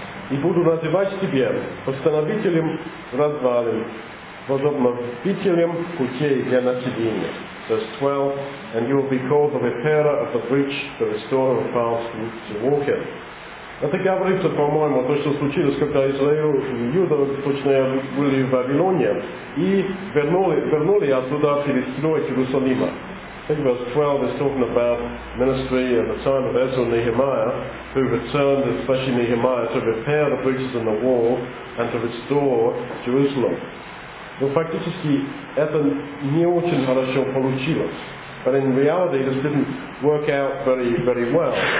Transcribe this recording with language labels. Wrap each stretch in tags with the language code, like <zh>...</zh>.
<ru>И буду называть тебя постановителем развалин, возобновителем путей для населения.</ru> <en>Verse 12, and you will be called the repairer of the breach, the restorer of paths to walk in.</en> <ru>Это говорится, по-моему, то, что случилось, когда Израиль и Юда, точнее, были в Вавилоне, и вернули оттуда перестроить Иерусалима.</ru> <en>I think verse 12 is talking about ministry and the time of Ezra and Nehemiah, who returned, especially Nehemiah, to repair the breaches in the wall and to restore Jerusalem.</en> <ru>Но фактически это не очень хорошо получилось.</ru> <en>But in reality, this didn't work out very, very well.</en>